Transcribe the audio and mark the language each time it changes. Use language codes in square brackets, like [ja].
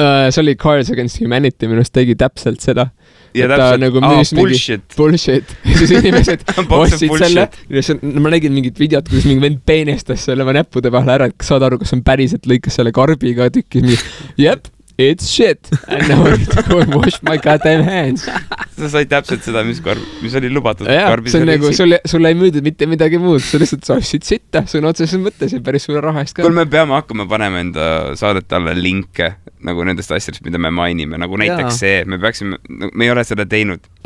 [et] See oli Cards Against Humanity, minust tegi täpselt seda. Ja täpselt, ta, nagu, bullshit. Bullshit. Siis inimesed ostsid selle. Ma nägin mingit videot, kus mingi vend peenestas selle ma näppude vahel ära, et saad aru, kas on päriselt lõikas selle karbiga tükki. [en] Jep, it's shit. And now I need to go wash my goddamn hands. [et] Sa said täpselt seda, mis, karb, mis oli lubatud. Ja, see on nagu, sul ei müüdud mitte midagi muud. Sa lihtsalt saasid sitta. See on otses mõttes ja päris suure raha eest ka. Kui me peame hakkama panema enda saadet alle linke, nagu nendest asjadest, mida me mainime, nagu näiteks jaa. See, me peaksime, me ei ole seda teinud.